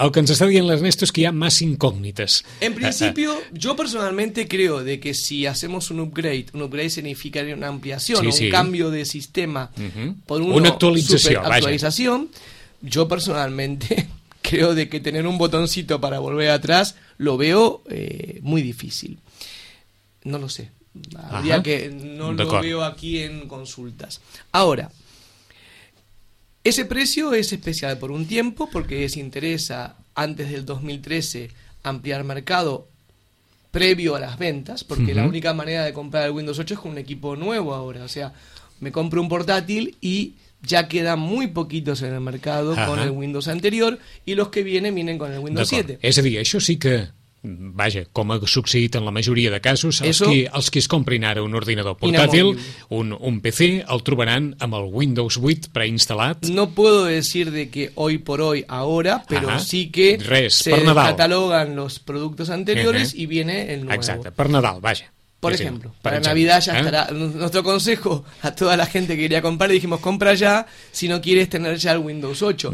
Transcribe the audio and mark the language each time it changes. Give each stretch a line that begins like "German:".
Catalan: El que ens està dient l'Ernesto és que hi ha més incògnites.
Spanish: En principio, yo personalmente creo de que si hacemos un upgrade significa una ampliación, sí, sí, un cambio de sistema, mm-hmm, por una actualización, yo personalmente creo de que tener un botoncito para volver atrás lo veo muy difícil. No lo sé. Habría que no lo veo aquí en consultas. Ahora, ese precio es especial por un tiempo porque les interesa antes del 2013 ampliar mercado previo a las ventas, porque la única manera de comprar el Windows 8 es con un equipo nuevo ahora. O sea, me compro un portátil y... ya quedan muy poquitos en el mercado. Ajá. Con el Windows anterior, y los que vienen con el Windows 7.
Catalan: És a dir, això sí que vaja, com ha succeït en la majoria de casos, els que es comprin ara un ordinador portàtil, un PC, el trobaran amb el Windows 8 preinstal·lat.
Spanish: No puedo decir de que hoy por hoy, ahora, pero sí que se catalogan los productos anteriores y viene el nuevo.
Catalan: Exacte, per Nadal, vaja.
Spanish: Por ejemplo, para Navidad ya estará nuestro consejo a toda la gente que quería comprar. Dijimos, compra ya si no quieres tener ya el Windows 8.